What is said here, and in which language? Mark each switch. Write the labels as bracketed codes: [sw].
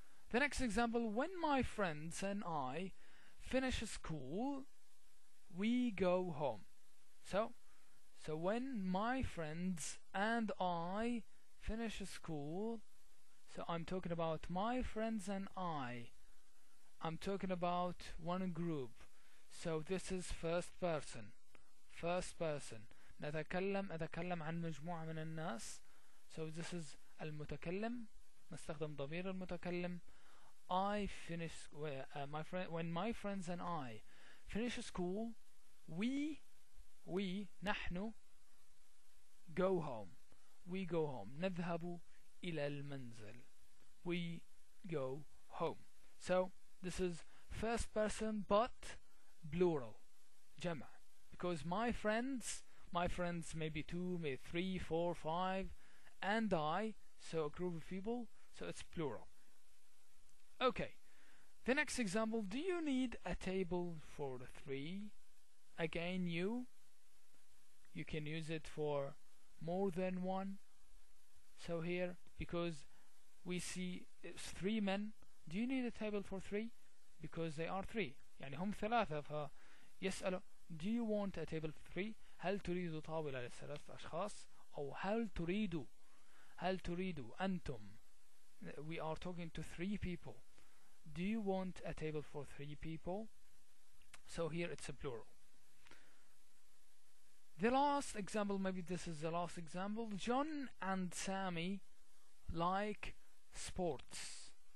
[en] The next example, when my friends and I finish school, we go home. So when my friends and I finish school, so I'm talking about my friends and I. I'm talking about one group. So this is first person. First person. [ar] نتكلم أتكلم عن مجموعة من الناس. [en] So this is المتكلم. [ar] نستخدم ضمير المتكلم. [en] I finish when my friends and I finish school, we نحن go home. We go home. [ar] نذهب إلى المنزل. [en] We go home. So this is first person but plural, جمع. Because my friends maybe two, maybe three, four, five, and I, so a group of people, so it's plural. Okay, the next example, do you need a table for three? Again, you can use it for more than one. So here, because we see it's three men, do you need a table for three? Because they are three. [ar] يعني هم ثلاثة ف يسألوا, [en] do you want a table for three? [ar] هل تريد طاولة لثلاث أشخاص؟ أو هل تريد أنتم؟ [en] We are talking to three people. Do you want a table for three people? So here it's a plural. The last example, maybe this is the last example. John and Sammy like sports.